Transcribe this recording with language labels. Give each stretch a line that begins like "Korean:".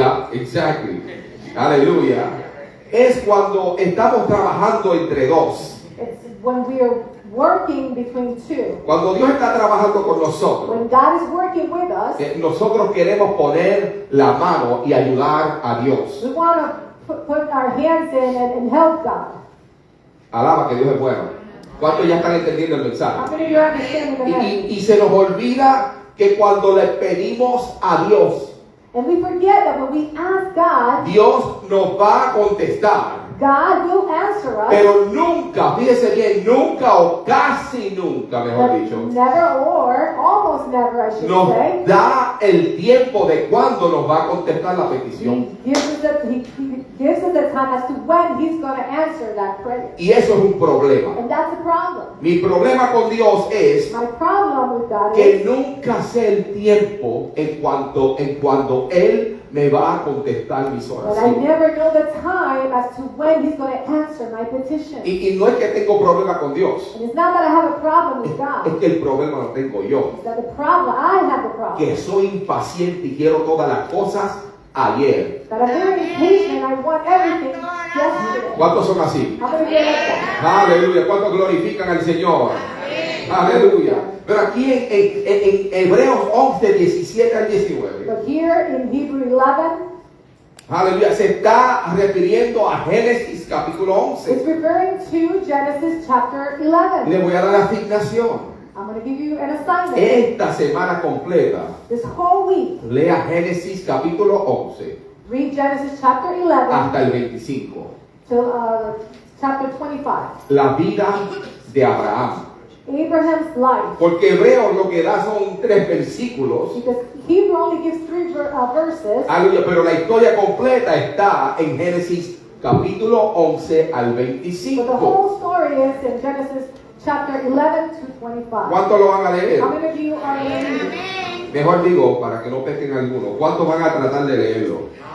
English: Yeah, exactly.
Spanish: Aleluya. Es cuando estamos trabajando entre dos.
English: When we are working between two.
Spanish: Cuando Dios está trabajando con nosotros.
English: When God is working with us.
Spanish: Nosotros queremos poner la mano y ayudar a Dios.
English: We want to put our hands in and help God.
Spanish: Alaba que Dios es bueno. ¿Cuántos ya están entendiendo el mensaje?
English: How many of you understand it?
Spanish: Y se nos olvida que cuando le pedimos a Dios.
English: And we forget that when we ask God.
Spanish: Dios nos va a contestar.
English: God will answer us.
Spanish: Pero nunca, fíjese bien, nunca o casi nunca, mejor dicho.
English: Never or almost never, I should
Spanish: nos
English: say.
Spanish: Nos da el tiempo de cuando nos va a contestar la petición.
English: He gives us the time as to when he's going to answer that prayer.
Spanish: Y eso es un problema.
English: And that's a problem.
Spanish: Mi problema con Dios es
English: my problem with God
Spanish: que
English: is
Spanish: nunca sé el tiempo en cuanto él me va a contestar mis oraciones.
English: But I never know the time as to when he's going to answer my petition.
Spanish: Y no es que tengo problema con Dios.
English: And it's not that I have a problem with God.
Spanish: Es que el problema lo tengo yo.
English: It's that the problem, I have the problem.
Spanish: Que soy impaciente y quiero todas las cosas ayer.
English: That I'm very impatient and I want everything yesterday.
Spanish: ¿Cuántos son así? Aleluya. ¿Cuántos glorifican al Señor? Aleluya. Pero aquí en Hebreos 11, 17 al 19.
English: But here in Hebrew 11.
Spanish: Aleluya. Se está refiriendo a Génesis capítulo 11.
English: It's referring to Genesis chapter 11.
Spanish: Le voy a dar la asignación.
English: I'm going to give you an assignment.
Spanish: Esta semana completa.
English: This whole week.
Spanish: Lea Génesis capítulo 11.
English: Read Genesis chapter 11.
Spanish: Hasta el 25.
English: Till chapter 25.
Spanish: La vida de Abraham.
English: Abraham's life.
Spanish: Porque Hebreo lo que da son tres versículos.
English: Because Hebrew only gives three verses.
Spanish: Aleluya, pero la historia completa está en Génesis capítulo 11 al 25.
English: But the whole story is in Genesis chapter 11 to 25.
Spanish: ¿Cuánto lo van a leer?
English: How many of you are reading?
Spanish: Mejor digo, para que no pequen alguno, ¿cuántos van a tratar de leerlo?